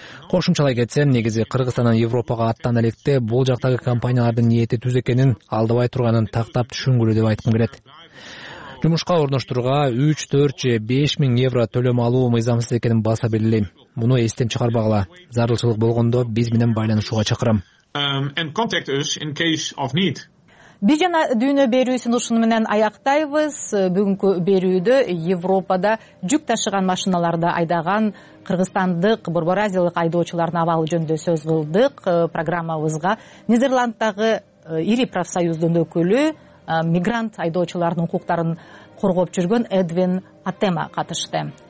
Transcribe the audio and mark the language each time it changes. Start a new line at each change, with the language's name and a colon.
Kyrgyz: Кошумчалай кетсем, негизи Кыргызстандан Европага аттан электе бул жактагы компаниялардын ниети түз экенин алдыбай турганын тактап түшүнгүлү деп айткым келет. Жумушка орноштурууга 3, 4 же 5 миң евро төлөм алуу мыйзамсыз экенин баса белгилейм. Муну эстен чыгарбагыла. Зарылчылык болгондо биз менен байланышууга чакырам.
English: And contact us in case of need.
Kyrgyz: Биз жана дүйнө берүүсүн ушуну менен аяктайбыз. Бүгүнкү берүүдө Европада жүк ташыган машиналарды айдаган кыргызстандык Борбор Азиялык айдоочулардын абалы жөнүндө сөз кылдык. Программабызга Нидерланддагы ири профсоюздун өкүлү, мигрант айдоочулардын укуктарын коргоп жүргөн Эдвин Атема катышты.